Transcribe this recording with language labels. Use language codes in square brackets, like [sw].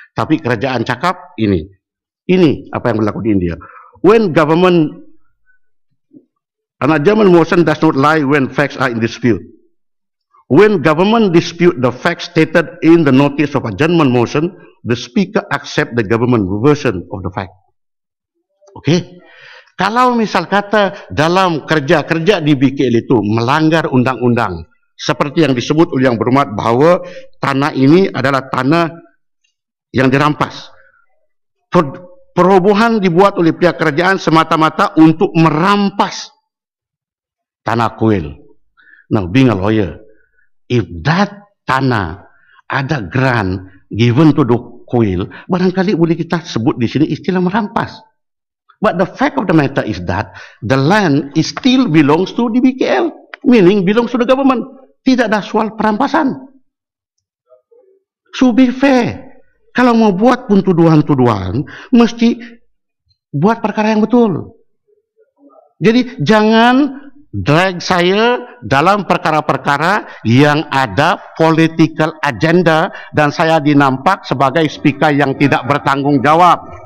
[ms] Tapi kerajaan cakap ini. Ini apa yang berlaku di India. [en] When government, an adjournment motion does not lie when facts are in dispute. When government dispute the facts stated in the notice of adjournment motion, the speaker accept the government version of the fact. Okay? [ms] Kalau misal kata dalam kerja-kerja di BKL itu melanggar undang-undang, seperti yang disebut oleh yang berhormat bahwa tanah ini adalah tanah yang dirampas. Perobohan dibuat oleh pihak kerajaan semata-mata untuk merampas tanah kuil. [en] Now, being a lawyer, if that [ms] tanah ada [en] grant given to the [ms] kuil, barangkali boleh kita sebut di sini istilah merampas. [en] But the fact of the matter is that the land is still belongs to the BKL, meaning belongs to the government. [ms] Tidak ada soal perampasan. [en] So be fair. [ms] Kalau mau buat pun tuduhan-tuduhan, mesti buat perkara yang betul. Jadi jangan drag saya dalam perkara-perkara yang ada political agenda dan saya dinampak sebagai speaker yang tidak bertanggung jawab.